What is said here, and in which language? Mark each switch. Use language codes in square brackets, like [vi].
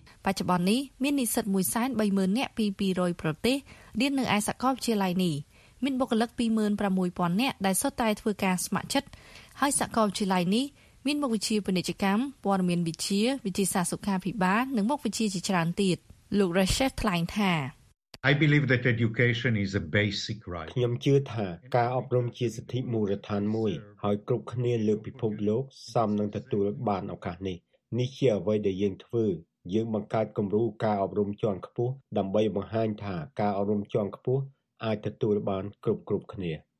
[km] បច្ចុប្បន្ននេះមាននិស្សិត 130,000 នាក់ពី200ប្រទេសរៀននៅឯសាកលវិទ្យាល័យនេះមានបុគ្គលិក 26,000 នាក់ដែលសុទ្ធតែធ្វើការស្ម័គ្រចិត្តហើយសាកលវិទ្យាល័យនេះមានមុខវិជ្ជាពាណិជ្ជកម្មព័ត៌មានវិទ្យាវិទ្យាសាស្ត្រសុខាភិបាលនិងមុខវិជ្ជាជាច្រើនទៀតលោករ៉េសេសថ្លែងថា [en] I believe that education is a basic right. [km] ខ្ញុំជឿថាការអប់រំជាសិទ្ធិមូលដ្ឋានមួយហើយគ្រប់គ្នាលើពិភពលោកសមនឹងទទួលបានឱកាសនេះ។នេះជាអ្វីដែលយើងធ្វើ។យើងបង្កើតគំរូការអប់រំជាន់ខ្ពស់ដើម្បីបង្ហាញថាការអប់រំជាន់ខ្ពស់អាចទទួលបានគ្រប់គ្នា